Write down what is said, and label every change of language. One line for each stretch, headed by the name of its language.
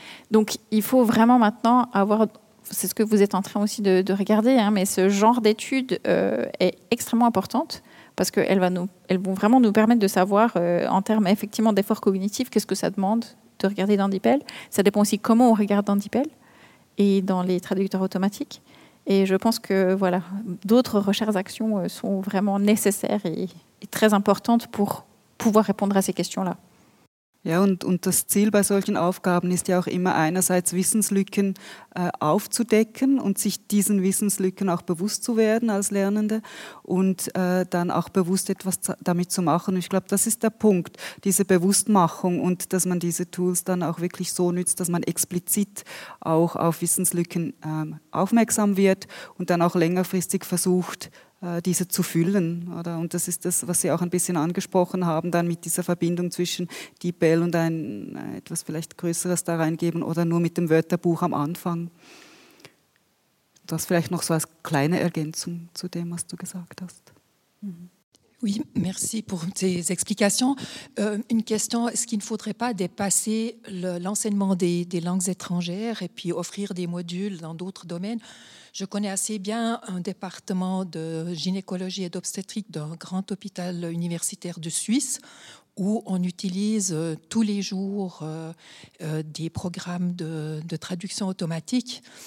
French: Donc, il faut vraiment maintenant avoir... C'est ce que vous êtes en train aussi de regarder, hein, mais ce genre d'études est extrêmement importante parce qu'elles vont vraiment nous permettre de savoir, en termes effectivement d'efforts cognitifs, qu'est-ce que ça demande de regarder dans DeepL. Ça dépend aussi comment on regarde dans DeepL et dans les traducteurs automatiques. Et je pense que voilà, d'autres recherches actions sont vraiment nécessaires et très importantes pour pouvoir répondre à ces questions-là.
German: Ja, und das Ziel bei solchen Aufgaben ist ja auch immer einerseits Wissenslücken aufzudecken und sich diesen Wissenslücken auch bewusst zu werden als Lernende und dann auch bewusst etwas damit zu machen. Ich glaube, das ist der Punkt, diese Bewusstmachung und dass man diese Tools dann auch wirklich so nützt, dass man explizit auch auf Wissenslücken aufmerksam wird und dann auch längerfristig versucht, diese zu füllen, oder? Und das ist das, was Sie auch ein bisschen angesprochen haben, dann mit dieser Verbindung zwischen DeepL und ein etwas vielleicht Größeres da reingeben oder nur mit dem Wörterbuch am Anfang. Das vielleicht noch so als kleine Ergänzung zu dem, was du gesagt hast.
French: Oui, merci pour ces explications. Une question, est-ce qu'il ne faudrait pas dépasser l'enseignement des langues étrangères et puis offrir des modules dans d'autres domaines? Je connais assez bien un département de gynécologie et d'obstétrique d'un grand hôpital universitaire de Suisse où on utilise tous les jours des programmes de traduction automatique.